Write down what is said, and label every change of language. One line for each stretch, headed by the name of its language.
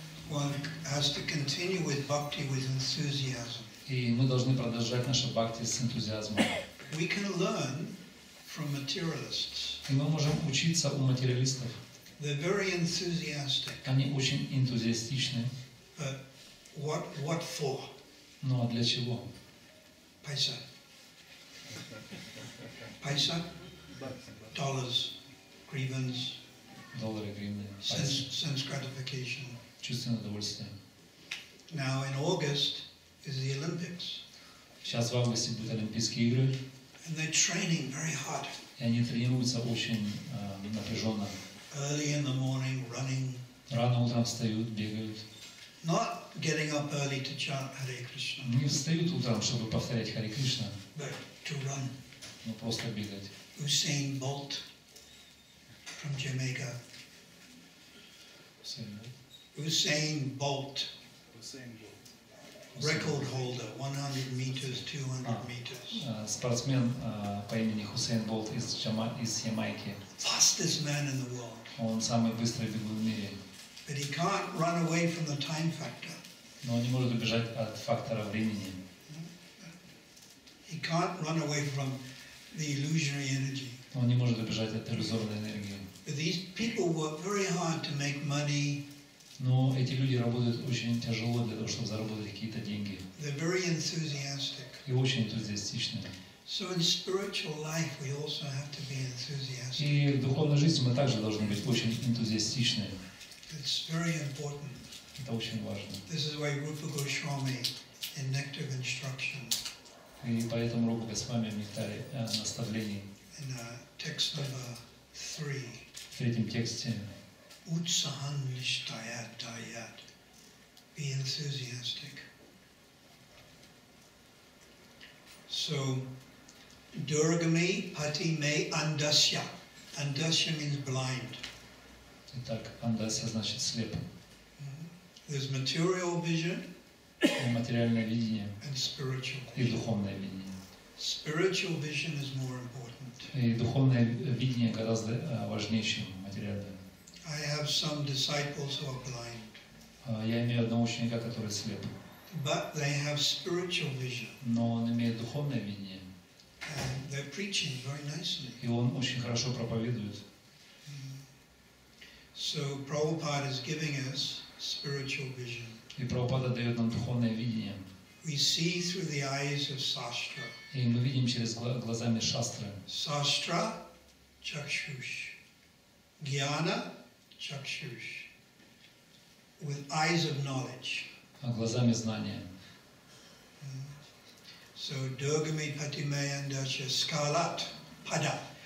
English: One has to continue with bhakti with enthusiasm.
Russian: И мы должны продолжать наше бхакти с энтузиазмом.
English: We can learn from materialists.
Russian: И мы можем учиться у материалистов.
English: They're very enthusiastic.
Russian: Они очень энтузиастичны.
English: But what for?
Russian: Ну а для чего? Пайса. Пайса. Dollars. Гривенс. Доллары, гривны,
English: sense gratification.
Russian: Чувственное удовольствие.
English: Now in August is the Olympics.
Russian: Сейчас в августе будут Олимпийские игры.
English: And they're training very hard.
Russian: И они тренируются очень напряженно.
English: Early in the morning, running.
Russian: Рано утром встают, бегают.
English: Not getting up early to chant Hare Krishna.
Russian: Не встают утром, чтобы повторять Харе Кришна.
English: But to run.
Russian: Но просто бегать.
English: Usain Bolt. From Jamaica. Usain Bolt. Record holder, 100 meters, 200 meters.
Russian: Спортсмен по имени Хусейн Болт из Ямайки.
English: Fastest man in the world.
Russian: Он самый быстрый бегун в мире.
English: But he can't run away from the time factor.
Russian: Но он не может убежать от фактора времени.
English: He can't run away from the illusory energy.
Russian: Он не может убежать от иллюзорной энергии.
English: These people work very hard to make money.
Russian: Но эти люди работают очень тяжело для того, чтобы заработать какие-то деньги.
English: They're very enthusiastic.
Russian: И очень энтузиастичны.
English: So in spiritual life we also have to be enthusiastic.
Russian: И в духовной жизни мы также должны быть очень энтузиастичны.
English: It's very important.
Russian: Это очень важно.
English: This is why Rupa Goswami in Nectar of Instruction.
Russian: И поэтому Рупа Госвами в Нектаре наставлений.
English: In text number 3.
Russian: В третьем тексте.
Sanskrit: Utsahan nishtayat dayat.
English: Be enthusiastic.
Sanskrit: So, durgami pati me andasya.
English: Andasya means blind.
Russian: Итак, андасья значит слеп.
English: There's material vision.
Russian: И материальное видение.
English: And spiritual
Russian: vision. И духовное видение.
English: Spiritual vision is more important.
Russian: И духовное видение гораздо важнее, чем материальное.
English: I have some disciples who are blind.
Russian: Я имею одного ученика, который слеп.
English: But they have spiritual vision.
Russian: Но он имеет духовное видение.
English: And they're preaching very nicely.
Russian: И он очень хорошо проповедует.
English: So Prabhupada is giving us spiritual vision.
Russian: И Прабхупада дает нам духовное видение.
English: We see through the eyes of Shastra.
Russian: И мы видим через глазами Шастры.
Sanskrit: Shastra Chakshush. Gyana Chakshush.
English: With eyes of knowledge.
Russian: А глазами знания.
Sanskrit: So Durgami Patimayandasha Skalat Pada.